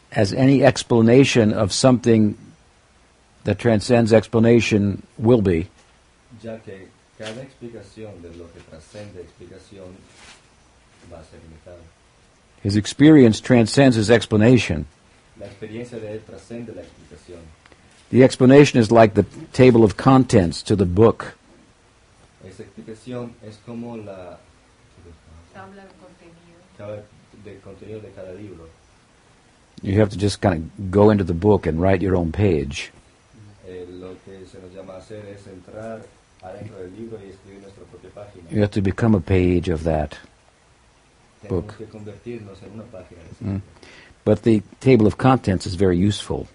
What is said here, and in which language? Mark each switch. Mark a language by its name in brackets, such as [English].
[English] as any explanation of something that transcends explanation will be. [Spanish] Ya que cada explicación de lo que trascende explicación va a ser limitada. [English] His experience transcends his explanation. [Spanish] La experiencia de él trascende la explicación. [English] The explanation is like the table of contents to the book. [Spanish] Esa explicación es como la tabla de contenido. Tabla de contenido de cada libro. [English] You have to just kind of go into the book and write your own page. [Spanish] Lo que se nos llama hacer es entrar adentro del libro y escribir nuestra propia página. [English] You have to become a page of that book. [Spanish] Tenemos que convertirnos en una página. [English] But the table of contents is very useful.